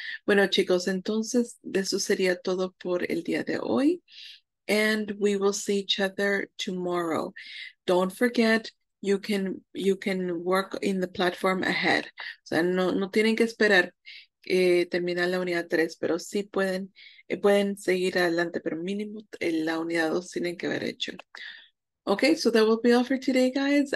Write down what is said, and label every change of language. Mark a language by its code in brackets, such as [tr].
[es] Bueno, chicos, entonces eso sería todo por el día de hoy. [en] And we will see each other tomorrow. Don't forget, you can work in the platform ahead. [es] O sea, no tienen que esperar terminar la unidad 3, pero sí pueden seguir adelante, pero mínimo en la unidad 2 tienen que haber hecho. [en] Ok, so that will be all for today, guys.